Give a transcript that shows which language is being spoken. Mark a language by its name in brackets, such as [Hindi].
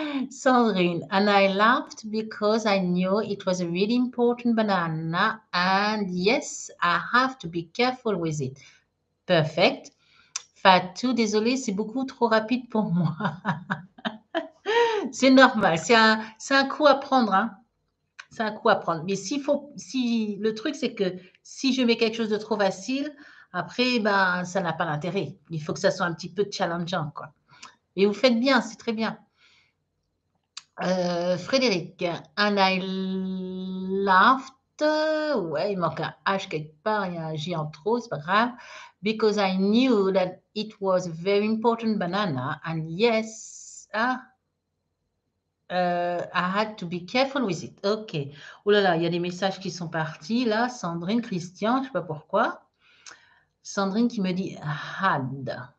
[English] Sandrine, and I laughed because I knew it was a really important banana and yes, I have to be careful with it. Perfect. [French] Fatou, désolée, c'est beaucoup trop rapide pour moi. C'est normal, c'est un coup à prendre, hein? C'est un coup à prendre. Mais si le truc, c'est que si je mets quelque chose de trop facile, après, ben, ça n'a pas d'intérêt. Il faut que ça soit un petit peu challengeant, quoi. Mais vous faites bien, c'est très bien. [English] Frédéric, and I laughed. [French] Ouais, il manque un H quelque part, il y a un J en trop, c'est pas grave. [English] Because I knew that it was a very important banana. And yes, I had to be careful with it. OK. [French] Oh là là, il y a des messages qui sont partis, là. Sandrine, Christian, je ne sais pas pourquoi. Sandrine qui me dit had.